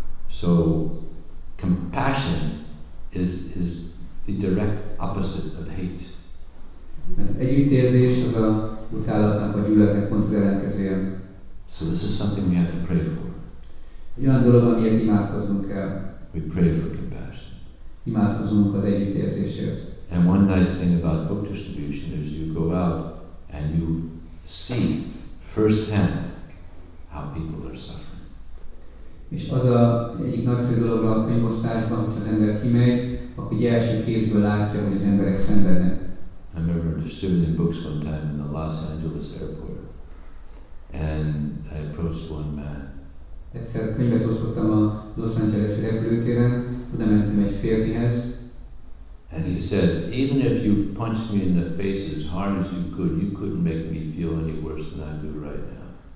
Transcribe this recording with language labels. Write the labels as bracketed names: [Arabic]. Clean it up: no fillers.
[English] So compassion is the direct opposite of hate. [Hungarian] Mert együttérzés az a utálatnak, a gyűlöletnek pont az ellenkezője. [English] So this is something we have to pray for. [Hungarian] Olyan dolog, amiért imádkoznunk kell. [English] We pray for compassion. [Hungarian] Imádkozunk az együttérzésért. [English] And one nice thing about book distribution is you go out and you see firsthand how people are suffering. [Hungarian] És az a egyik nagyszerű dolog a könyvosztásban, hogy az ember kimegy, akkor egy első kézből látja, hogy az emberek szenvednek. [English] I remember distributing books one time in the Los Angeles airport, and I approached one man. [Hungarian] Egyszer könyvet osztottam a Los Angeles repülőtéren, oda mentem egy férfihez. [English] And he said, even if you punched me in the face as hard as you couldn't make me feel any worse than I do right now.